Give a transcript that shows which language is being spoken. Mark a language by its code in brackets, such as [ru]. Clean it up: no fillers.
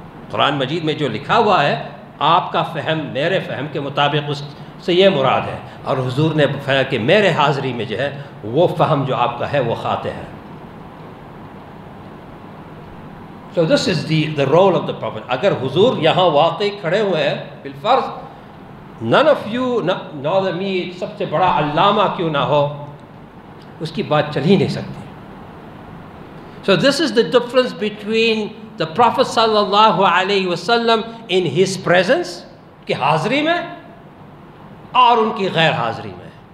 [ur] قرآن مجید میں جو لکھا ہوا ہے آپ کا فہم میرے فہم کے مطابق اس سے یہ مراد ہے, اور حضور نے فرمایا کہ میرے حاضری میں جو ہے وہ فہم جو آپ کا ہے وہ خاطئ ہے. [en] So this is the role of the Prophet. [ur] اگر حضور یہاں واقعی کھڑے ہوئے ہیں بالفرض, [en] none of you, not me, [ur] سب سے بڑا علامہ کیوں نہ ہو, اس کی بات چل ہی نہیں سکتی. [en] So this is the difference between the Prophet صلی اللہ علیہ وسلم in his presence [ur] کی حاضری میں اور ان کی غیر حاضری میں.